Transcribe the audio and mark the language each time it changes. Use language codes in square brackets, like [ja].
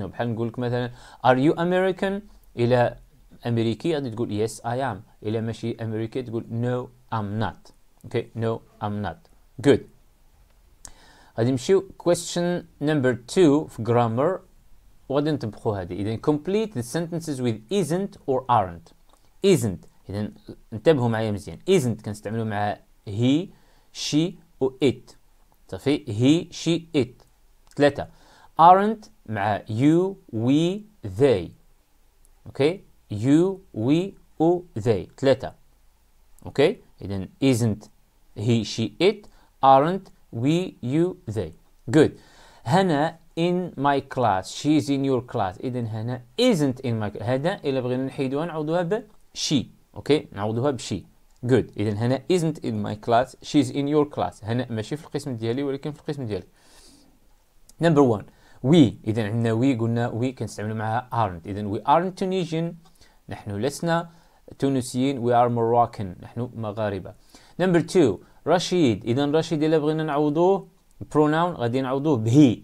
[ar] بحال نقول لك مثلا [en] are you American. [ar] الى امريكي غادي تقول [en] yes I am. [ar] الى ماشي امريكي تقول [en] no I'm not. okay no I'm not. good. [ar] غادي نمشيو [en] question number 2 [ar] في grammar. غادي نطبقوا هذه. [en] اذا complete the sentences with isn't or aren't. [ar] isn't اذا انتبهوا معايا مزيان. isn't كنستعملوا مع he she و it. صافي [en] he she it [ar] ثلاثه. [en] aren't مع you we they. okay you we or they [ar] ثلاثة. [en] okay إذن isn't he she it aren't we you they. good. هنا in my class she's in your class. [ar] إذن هنا [en] isn't in my class. [ar] هذا إلا بغينا نحيدوها نعوضوها ب she. [en] okay [ar] نعوضوها ب [en] she. good. [ar] إذن هنا [en] isn't in my class she's in your class. [ar] هنا ماشي في القسم ديالي ولكن في القسم ديالك. [en] number one we. [ar] إذن عندنا we قلنا we كنستعملوا معها aren't. [en] إذن we aren't Tunisian. [ar] نحن لسنا تونسيين. [en] we are Moroccan. [ar] نحن مغاربة. [en] number 2 رشيد. [ar] إذن رشيد إلا بغينا نعوضوه pronoun غادي نعوضوه بهي.